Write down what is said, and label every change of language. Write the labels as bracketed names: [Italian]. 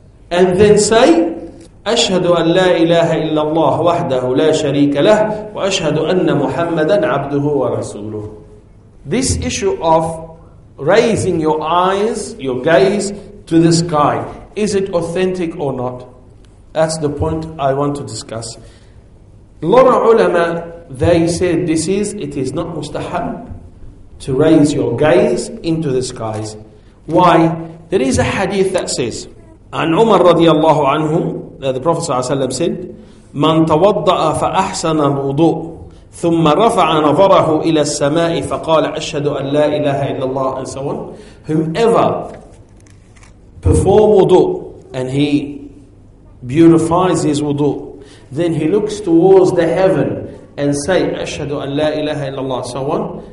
[English] And then say, [Arabic] أشهد أن لا إله إلا الله وحده لا شريك له وأشهد أن محمدا عبده ورسوله. [English] This issue of raising your eyes, your gaze to the sky, is it authentic or not? That's the point I want to discuss. Lot of ulama, they said it is not mustahab to raise your gaze into the skies. Why? There is a hadith that says, [Arabic] عن عمر رضي الله عنه [English] that the Prophet [Arabic] صلى الله عليه وسلم said, من توضأ فأحسن الوضوء ثم رفع نظره إلى السماء فقال أشهد أن لا إله إلا الله, [English] and so on. Whomever perform wudu and he beautifies his wudu, then he looks towards the heaven and say [Arabic] أشهد أن لا إله إلا الله, [English] so on.